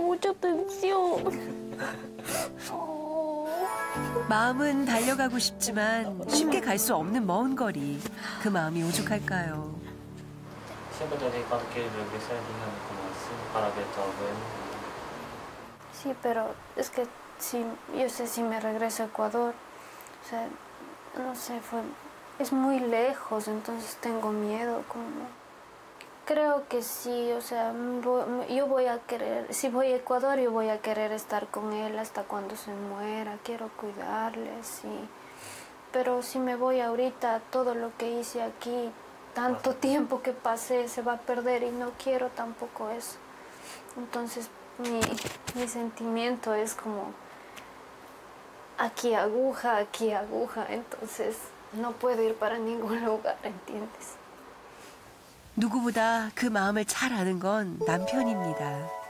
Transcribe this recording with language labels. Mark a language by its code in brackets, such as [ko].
[ko] 마음은 달려가고 싶지만 쉽게 갈 수 없는 먼 거리. 그 마음이 오죽할까요? 친구들이 그렇게 여기 살기는 그만큼 바라겠다고 했는데. [es] Sí, pero es que si yo sé si me regreso a Ecuador, o sea, no sé, fue. Es muy lejos, entonces tengo miedo, como Creo que sí, o sea, yo voy a querer, si voy a Ecuador, yo voy a querer estar con él hasta cuando se muera, quiero cuidarle, sí. Pero si me voy ahorita, todo lo que hice aquí, tanto tiempo que pasé, se va a perder y no quiero tampoco eso. Entonces, mi sentimiento es como, aquí aguja, entonces no puedo ir para ningún lugar, ¿entiendes? [ko] 누구보다 그 마음을 잘 아는 건 남편입니다.